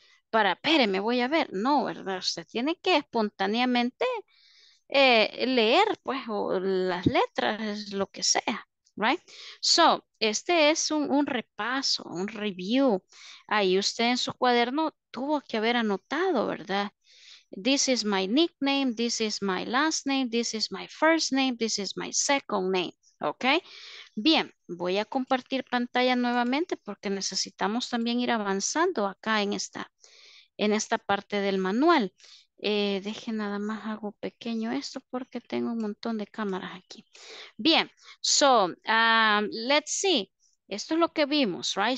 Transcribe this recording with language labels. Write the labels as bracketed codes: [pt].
[es] Para, espéreme, voy a ver. No, ¿verdad? Usted tiene que espontáneamente leer, pues, o las letras, lo que sea, ¿right? So, este es un repaso, un review. Ahí usted en su cuaderno tuvo que haber anotado, ¿verdad? [en] This is my nickname, this is my last name, this is my first name, this is my second name. [es] Ok, bien, voy a compartir pantalla nuevamente porque necesitamos también ir avanzando acá en esta parte del manual. Deje nada más hago pequeño esto porque tengo un montón de cámaras aquí. Bien, so, [en] let's see, [es] esto es lo que vimos, right?